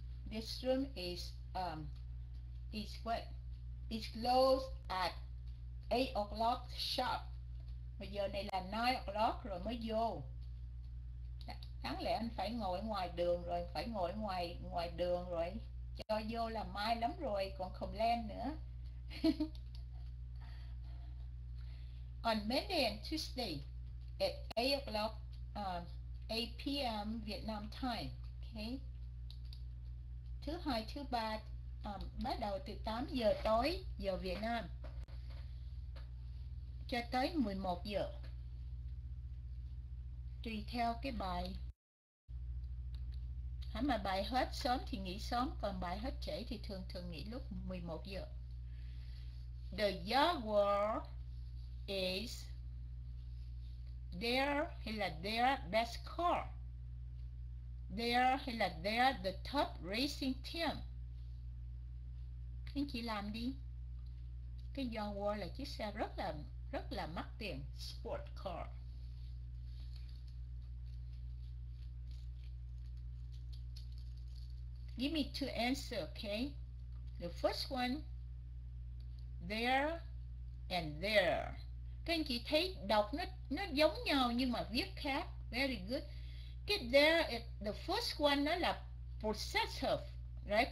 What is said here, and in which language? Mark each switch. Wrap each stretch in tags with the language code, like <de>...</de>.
<en>This room is what? It's closed at 8 o'clock sharp.</en> <vi>Bây giờ này là</vi> <en>9 o'clock</en> <vi>rồi mới vô. Đáng lẽ anh phải ngồi ngoài đường rồi, phải ngồi ngoài ngoài đường rồi. Cho vô là mai lắm rồi, còn không lên nữa.</vi> <en>On Monday and Tuesday at 8 o'clock 8 p.m. Vietnam time. Okay.</en> <vi>Thứ hai, thứ ba bắt đầu từ 8 giờ tối giờ Việt Nam cho tới 11 giờ. Tùy theo cái bài. Hả, mà bài hết sớm thì nghỉ sớm, còn bài hết trễ thì thường thường nghỉ lúc 11 giờ.</vi> <en>The Jaguar is their</en> <vi>hay là</vi> <en>their best car. Their</en> <vi>hay là</vi> <en>their the top racing team.</en> <vi>Anh chị làm đi. Cái Jaguar là chiếc xe rất là mắc tiền, sport car.</vi> <en>Give me two answers, okay? The first one, there and there.</en> <vi>Các anh chị thấy đọc nó giống nhau nhưng mà viết khác.</vi> <en>Very good. Cái there is the first one,</en> <vi>nó là</vi> <en>possessive, right?</en>